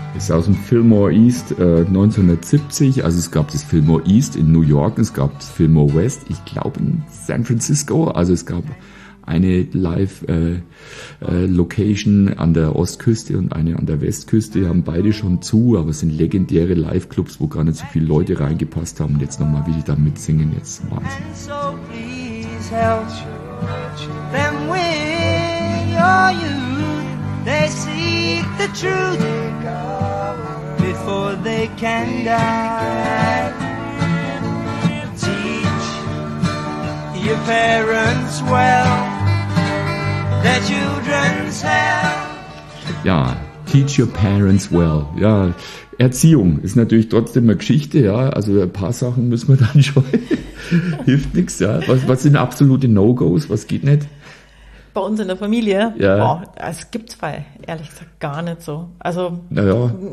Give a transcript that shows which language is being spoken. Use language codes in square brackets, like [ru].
[de] Aus dem Fillmore East 1970, also es gab das Fillmore East in New York, es gab das Fillmore West, ich glaube in San Francisco, also es gab eine Live-Location an der Ostküste und eine an der Westküste, haben beide schon zu, aber es sind legendäre Live-Clubs, wo gar nicht so viele Leute reingepasst haben, und jetzt nochmal will ich da mitsingen, jetzt Wahnsinn. [en] And so please help them with your youth. They seek the truth before they can die. Teach your parents well, their children's hell. Ja, teach your parents well. [de] Ja, Erziehung ist natürlich trotzdem eine Geschichte, ja. Also ein paar Sachen müssen wir dann schon. Hilft nichts, ja. Was sind absolute No-Gos? Was geht nicht? Bei uns in der Familie, ja. Boah, es gibt zwei, ehrlich gesagt, gar nicht so. Also, naja.